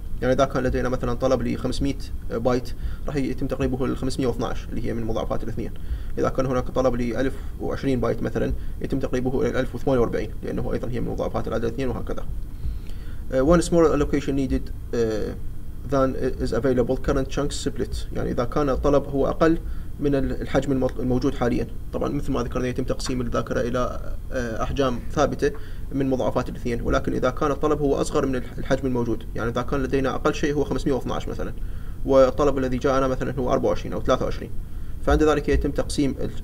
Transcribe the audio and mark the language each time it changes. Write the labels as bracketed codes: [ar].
[ar] يعني إذا كان لدينا مثلا طلب ل 500 بايت راح يتم تقريبه ل 512 اللي هي من مضاعفات الاثنين. إذا كان هناك طلب ل 1020 بايت مثلا يتم تقريبه إلى 1048 لأنه أيضا هي من مضاعفات العدد اثنين وهكذا. [en] One smaller allocation needed than is available current chunks split. [ar] يعني إذا كان الطلب هو أقل من الحجم الموجود حاليا، طبعا مثل ما ذكرنا يتم تقسيم الذاكرة إلى أحجام ثابتة من مضاعفات الاثنين، ولكن إذا كان الطلب هو أصغر من الحجم الموجود، يعني إذا كان لدينا أقل شيء هو 512 مثلا، والطلب الذي جاءنا مثلا هو 24 أو 23، فعند ذلك يتم تقسيم